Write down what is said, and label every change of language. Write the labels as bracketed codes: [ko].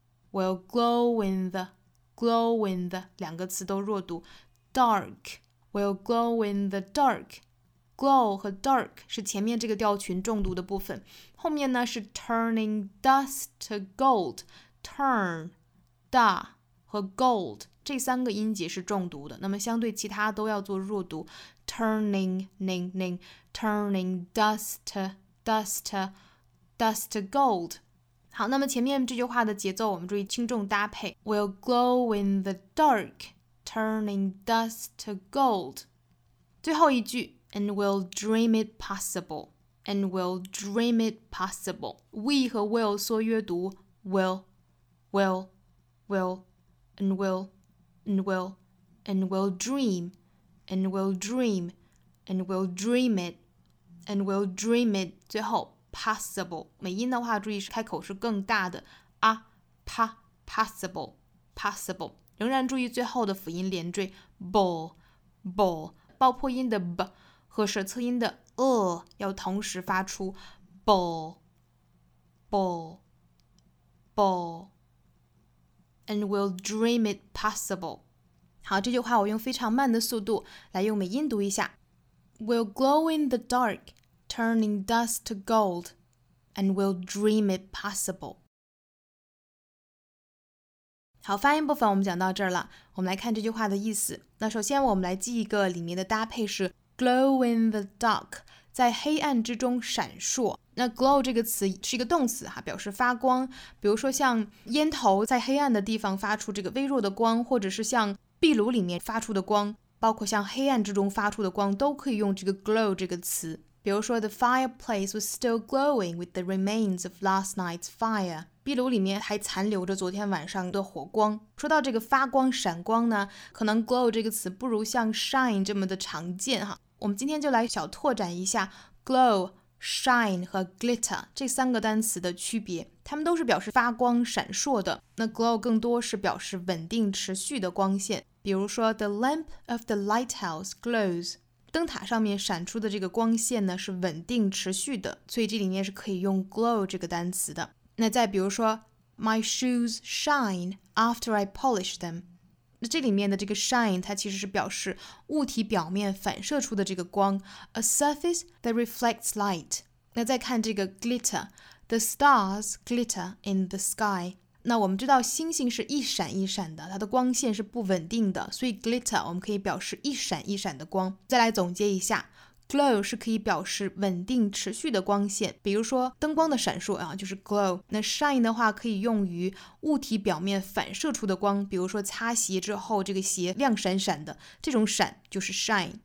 [zh] glow in the 两个词都弱读 dark， will glow in the dark， glow 和 dark 是前面这个调群重读的部分，后面呢是 turning dust to gold， turn da 和 gold 这三个音节是重读的，那么相对其他都要做弱读turning dust to gold。 [en] 好，那么前面这句话的节奏我们注意轻重搭配， will glow in the dark turning dust to gold，最后一句 and will dream it possible and will dream it possible， we 和 will 缩约读 will and will and will and will dreamAnd will dream, and will dream it, and will dream it. [zh] 最后 possible 美音的话，注意是开口是更大的啊 pa possible possible， 仍然注意最后的辅音连缀 ball ball， 爆破音的 b 和舌侧音的 e 要同时发出 ball ball ball， and will dream it possible. 好，这句话我用非常慢的速度来用美音读一下。 [en] Will glow in the dark, turning dust to gold, and will dream it possible. [zh] 好，发音部分我们讲到这儿了，我们来看这句话的意思。那首先我们来记一个里面的搭配是 glow in the dark，在黑暗之中闪烁。那 glow 这个词是一个动词哈，表示发光，比如说像烟头在黑暗的地方发出这个微弱的光，或者是像壁炉里面发出的光，包括像黑暗之中发出的光，都可以用这个 glow 这个词。 [en] 比如说 the fireplace was still glowing with the remains of last night's fire，壁炉里面还残留着昨天晚上的火光。 [zh] 说到这个发光闪光呢，可能 glow 这个词不如像 shine 这么的常见哈，我们今天就来小拓展一下 glow、shine 和 glitter 这三个单词的区别。它们都是表示发光闪烁的，那 glow 更多是表示稳定持续的光线。比如说 the lamp of the lighthouse glows，灯塔上面闪出的这个光线呢是稳定持续的，所以这里面是可以用 glow 这个单词的。那再比如说 My shoes shine after I polish them，那这里面的这个 shine 它其实是表示物体表面反射出的这个光， A surface that reflects light。 [en] 那再看这个 glitter， The stars glitter in the sky。 [zh] 那我们知道星星是一闪一闪的，它的光线是不稳定的，所以 glitter 我们可以表示一闪一闪的光。再来总结一下， glow 是可以表示稳定持续的光线，比如说灯光的闪烁啊，就是 glow。那 shine 的话可以用于物体表面反射出的光，比如说擦鞋之后这个鞋亮闪闪的，这种闪就是 shine。